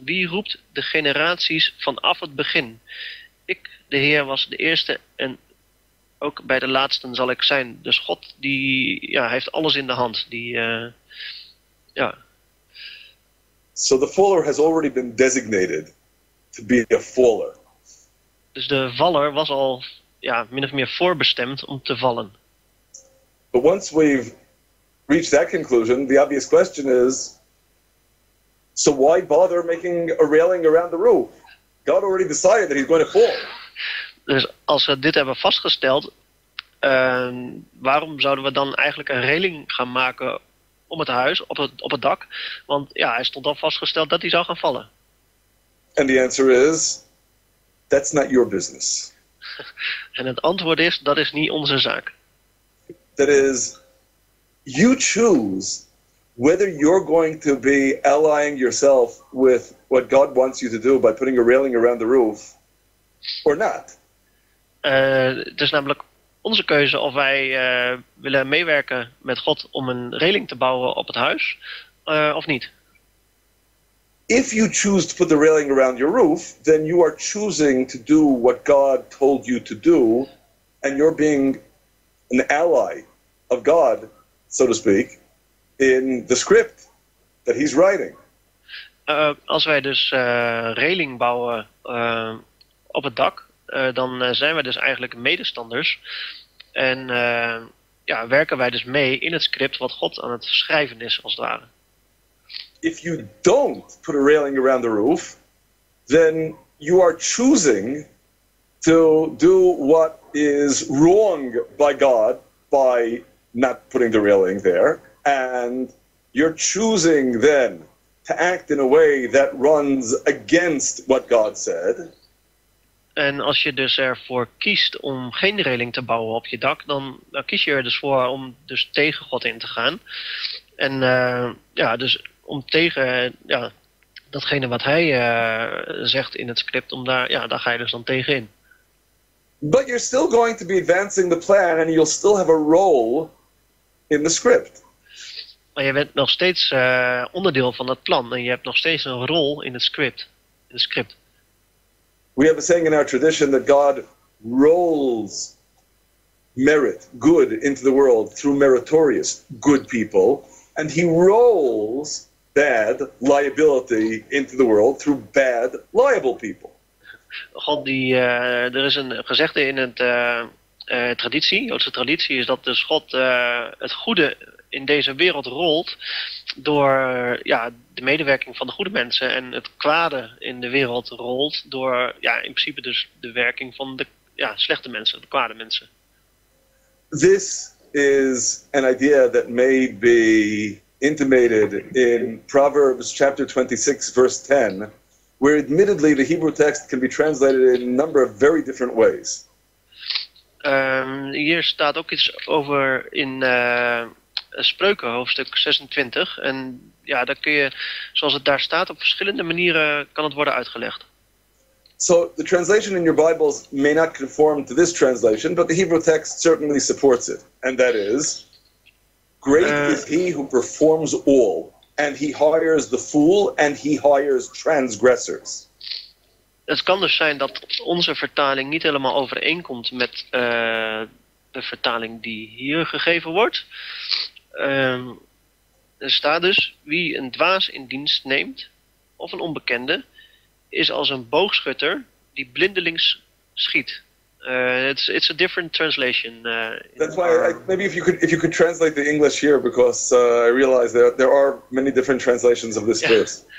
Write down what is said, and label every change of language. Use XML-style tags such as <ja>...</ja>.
<nl>Wie roept de generaties vanaf het begin? Ik, de Heer, was de eerste en ook bij de laatsten zal ik zijn. Dus God die heeft alles in de hand.</nl> <en>So the faller has already been designated to be a faller.</en> <nl>Dus de valler was al min of meer voorbestemd om te vallen.</nl> <en>But once we've reached that conclusion, the obvious question is, so why bother making a railing around the roof? God already decided that he's going to fall.</en> <nl>Dus als we dit hebben vastgesteld, waarom zouden we dan eigenlijk een railing gaan maken om het huis, op het dak? Want hij stond al vastgesteld dat hij zou gaan vallen.</nl> <en>And the answer is, that's not your business.</en> <nl>En het antwoord is, dat is niet onze zaak.</nl> <en>That is, you choose whether you're going to be allying yourself with what God wants you to do by putting a railing around the roof, or not.</en> <nl>Het is namelijk onze keuze of wij willen meewerken met God om een railing te bouwen op het huis, of niet.</nl> <en>If you choose to put the railing around your roof, then you are choosing to do what God told you to do, and you're being an ally of God, so to speak, in the script that he's writing.</en> <nl>Als wij dus railing bouwen op het dak, dan zijn wij dus eigenlijk medestanders. En werken wij dus mee in het script wat God aan het schrijven is, als het ware.</nl> <en>If you don't put a railing around the roof, then you are choosing to do what is wrong by God by not putting the railing there, and you're choosing then to act in a way that runs against what God said.</en> <nl>En als je dus ervoor kiest om geen railing te bouwen op je dak, dan kies je er dus voor om dus tegen God in te gaan. En om tegen datgene wat hij zegt in het script, om daar ga je dus dan tegen in.</nl> <en>But you're still going to be advancing the plan and you'll still have a role in the script.</en> <nl>Maar je bent nog steeds onderdeel van het plan en je hebt nog steeds een rol in het script.</nl> <en>We have a saying in our tradition that God rolls merit, good, into the world through meritorious good people, and he rolls bad liability into the world through bad liable people.</en> <nl>God die, er is een gezegde in het traditie, Joodse traditie, is dat dus God het goede in deze wereld rolt door de medewerking van de goede mensen, en het kwade in de wereld rolt door in principe dus de werking van de slechte mensen, de kwade mensen.</nl> <en>This is an idea that may be intimated in Proverbs chapter 26, verse 10, where admittedly the Hebrew text can be translated in a number of very different ways.</en> <nl>Hier staat ook iets over in Spreuken, hoofdstuk 26. En ja, dan kun je, zoals het daar staat, op verschillende manieren kan het worden uitgelegd.</nl> <en>So the translation in your Bibles may not conform to this translation, but the Hebrew text certainly supports it. And that is, great is he who performs all, and he hires the fool, and he hires transgressors.</en> <nl>Het kan dus zijn dat onze vertaling niet helemaal overeenkomt met de vertaling die hier gegeven wordt. Er staat dus, wie een dwaas in dienst neemt, of een onbekende, is als een boogschutter die blindelings schiet.</nl> <en>It's a different translation. That's why if you could translate the English here, because I realize there are many different translations of this verse.</en>